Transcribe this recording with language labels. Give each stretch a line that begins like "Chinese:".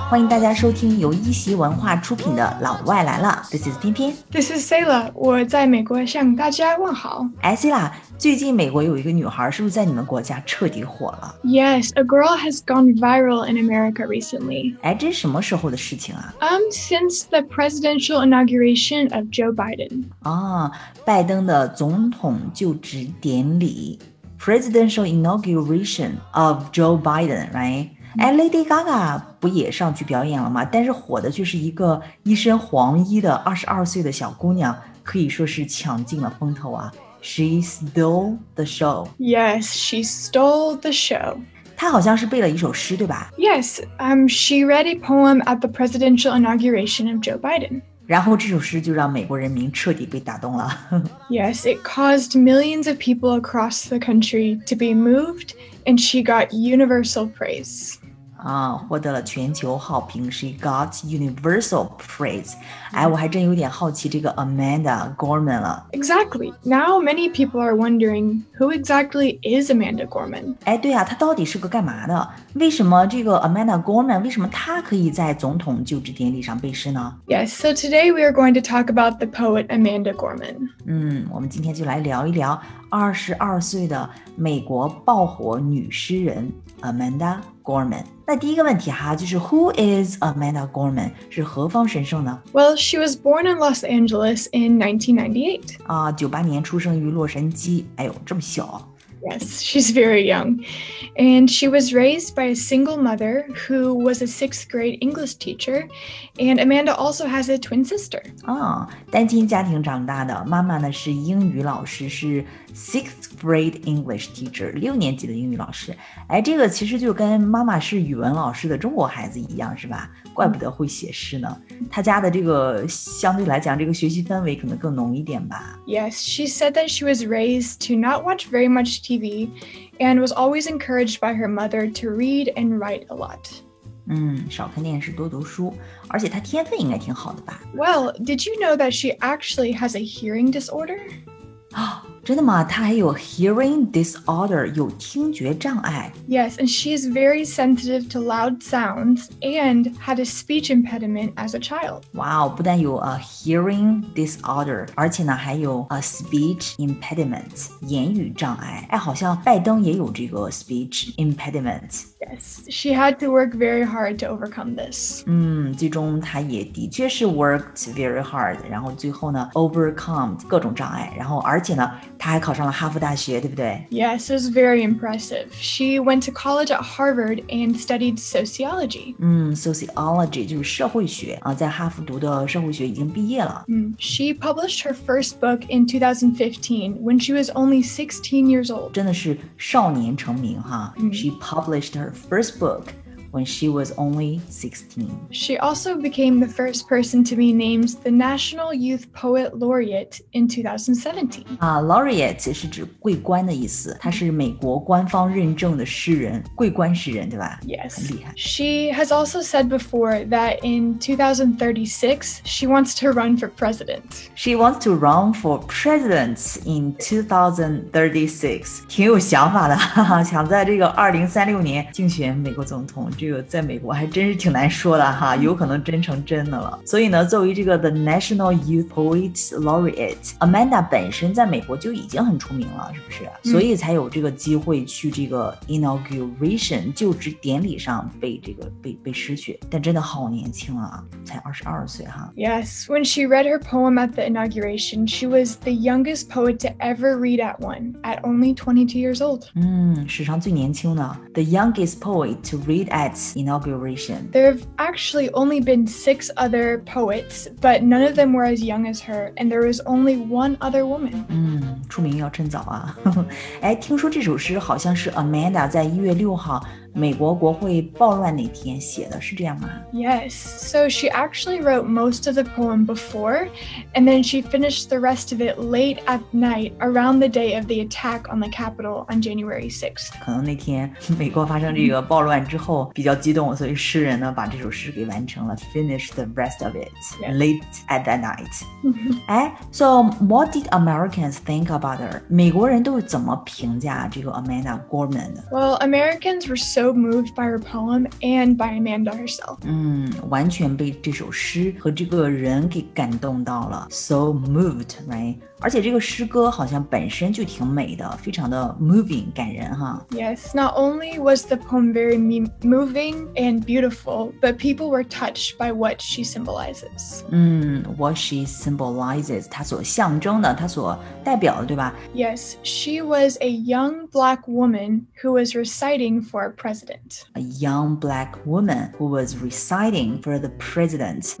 Chinese: 欢迎大家收听由一席文化出品的《老外来了》。
English: This is 彬彬。 This is Sayla.
Chinese: 我在美国向大家问好。哎，Sayla，最近美国有一个女孩，是不是在你们国家彻底火了
English: ？Yes, a girl has gone viral in America recently.
Chinese: 哎，这是什么时候的事情啊
English: ？Since the presidential inauguration of Joe Biden.
Chinese: 哦，拜登的总统就职典礼。
English: Presidential inauguration of Joe Biden, right?
Chinese: And Lady Gaga 不也上去表演了吗？但是火的就是一个一身黄衣的22岁的小姑娘，可以说是抢尽了风头啊。
English: She stole the show. Yes, she stole the show.
Chinese: 她好像是背了一首诗，对吧
English: ？Yes, she read a poem at the presidential inauguration of Joe Biden.
Chinese: 然后这首诗就让美国人民彻底被打动了。
English: Yes, it caused millions of people across the country to be moved, and she got universal praise.
Chinese: 啊，获得了全球好评。
English: She got universal praise.
Chinese: 哎，我还真有点好奇这个 Amanda Gorman 了。
English: Exactly. Now many people are wondering who exactly is Amanda Gorman.
Chinese: 哎，对啊，她到底是个干嘛的？为什么这个 Amanda Gorman, 为什么她可以在总统就职典礼上背诗呢
English: ?Yes, so today we are going to talk about the poet Amanda Gorman.
Chinese: 嗯，我们今天就来聊一聊22岁的美国爆火女诗人 Amanda Gorman. 那第一个问题哈，就是
English: Who is Amanda Gorman?
Chinese: 是何方神圣呢
English: ?Well, she was born in Los Angeles in 1998.
Chinese: 啊，98年出生于洛杉矶。哎呦，这么小。
English: Yes, she's very young. And she was raised by a single mother who was a sixth grade English teacher. And Amanda also has a twin sister.
Chinese: 哦，单亲家庭长大的，妈妈呢是英语老师，是
English: sixth grade English teacher,
Chinese: 六年级的英语老师。哎，这个其实就跟妈妈是语文老师的中国孩子一样，是吧？怪不得会写诗呢。她家的这个相对来讲，这个学习氛围可能更浓一点吧。
English: Yes, she said that she was raised to not watch very much TV and was always encouraged by her mother to read and write a lot.
Chinese: 嗯，少看电视，多读书，而且她天分应该挺好的吧。
English: Well, did you know that she actually has a hearing disorder?
Chinese: 啊，真的吗？她还有 hearing disorder, 有听觉障碍。
English: Yes, and she is very sensitive to loud sounds and had a speech impediment as a child.
Chinese: Wow, 不但有 a hearing disorder, 而且呢还有 a speech impediment, 言语障碍。哎，好像拜登也有这个 speech impediment。
English: Yes, she had to work very hard to overcome this.
Chinese: 嗯，最终她也的确是
English: worked very hard,
Chinese: 然后最后呢 overcome 各种障碍，然后而且呢她还考上了哈佛大学，对不对？
English: Yes, it was very impressive. She went to college at Harvard and studied sociology.
Chinese: 嗯 ，sociology 就是社会学啊，在哈佛读的社会学已经毕业了。
English: 嗯 ，She published her first book in 2015 when she was only 16 years old.
Chinese: 真的是少年成名哈。
English: 嗯、She published her first book. When she was only 16. She also became the first person to be named the National Youth Poet Laureate in 2017.
Chinese: Laureate 是指桂冠的意思，她是美国官方认证的诗人，桂冠诗人，对吧？
English: Yes.
Chinese: 很厉害。
English: She has also said before that in 2036, she wants to run for president. She wants to run for president in 2036.
Chinese: 挺有想法的，哈哈，想在这个2036年竞选美国总统。这个在美国还真是挺难说的哈，有可能真成真的了。所以呢，作为这个 The National Youth Poet Laureate, Amanda 本身在美国就已经很出名了，是不是？所以才有这个机会去这个 inauguration 就职典礼上背这个背诗去。但真的好年轻啊，才22岁哈。
English: Yes, when she read her poem at the inauguration, she was the youngest poet to ever read at one, at only 22 years old.
Chinese: 嗯，史上最年轻的
English: the youngest poet to read. At inauguration. There have actually only been 6 other poets, but none of them were as young as her, and there was only one other woman.
Chinese: 嗯，出名要趁早啊。哎，听说这首诗好像是 Amanda 在1月6号美国国会暴乱那天写的，是这样吗？
English: Yes, so she actually wrote most of the poem before, and then she finished the rest of it late at night around the day of the attack on the Capitol on January 6th.
Chinese: 可能那天美国发生这个暴乱之后比较激动，所以诗人呢把这首诗给完成了
English: finish the rest of it late at that night.
Chinese: 哎，
English: so what did Americans think about her?
Chinese: 美国人都怎么评价这个 Amanda Gorman?
English: Well, Americans were so so moved by her poem and by Amanda herself.
Chinese: 完全被这首诗和这个人给感动到了。
English: So moved, right?
Chinese: 而且这个诗歌好像本身就挺美的，非常的 moving, 感人哈。
English: Yes, not only was the poem very moving and beautiful, but people were touched by what she symbolizes. What she symbolizes,
Chinese: 她所象征的，她所代表的，对吧？
English: Yes, she was a young black woman who was reciting for a president. A young black woman who was reciting for the president.